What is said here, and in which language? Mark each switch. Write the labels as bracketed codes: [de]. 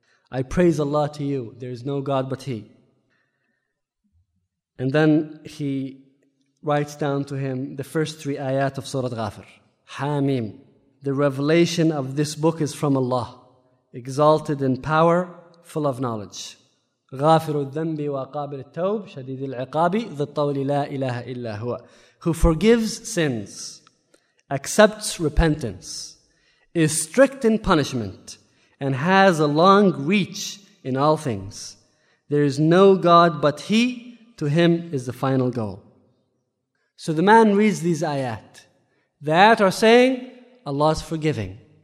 [en] I praise Allah to you, there is no God but He. And then he writes down to him the first three ayat of Surah Ghafir. Hamim, the revelation of this book is from Allah. Exalted in power, full of knowledge. [ar] غافر الذنب وقابل التوب شديد العقاب ذو الطول لا إله إلا هو. [en] Who forgives sins, accepts repentance, is strict in punishment, and has a long reach in all things. There is no God but He, to Him is the final goal. So the man reads these ayat. The ayat are saying, Allah is forgiving.